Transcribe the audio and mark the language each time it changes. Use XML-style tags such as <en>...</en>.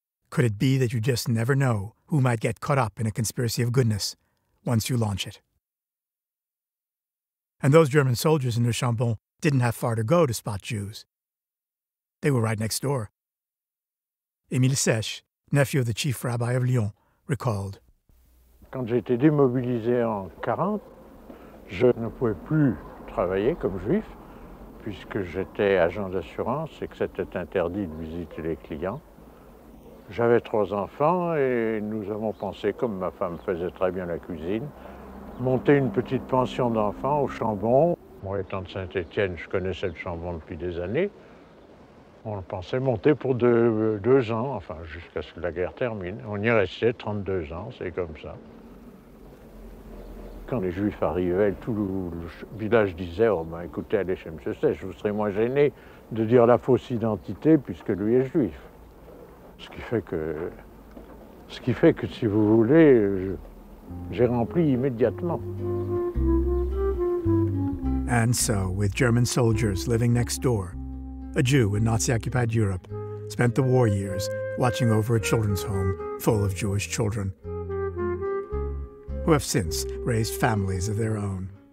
<en>Could it be that you just never know who might get caught up in a conspiracy of goodness once you launch it? And those German soldiers in Le Chambon didn't have far to go to spot Jews. They were right next door. Émile Sèche, nephew of the chief rabbi of Lyon, recalled.</en> <fr>Quand j'étais démobilisé en 40, je ne pouvais plus travailler comme juif, puisque j'étais agent d'assurance et que c'était interdit de visiter les clients. J'avais 3 enfants et nous avons pensé, comme ma femme faisait très bien la cuisine, monter une petite pension d'enfants au Chambon. Moi, étant de Saint-Étienne, je connaissais le Chambon depuis des années. On pensait monter pour deux ans, enfin jusqu'à ce que la guerre termine. On y restait 32 ans, c'est comme ça. Quand les Juifs arrivaient, tout le village disait, oh ben écoutez, allez chez M. Sèche, vous serez moins gêné de dire la fausse identité puisque lui est juif. Ce qui fait que si vous voulez, j'ai rempli immédiatement.</fr> <en>And so, with German soldiers living next door, a Jew in Nazi-occupied Europe spent the war years watching over a children's home full of Jewish children, who have since raised families of their own.</en>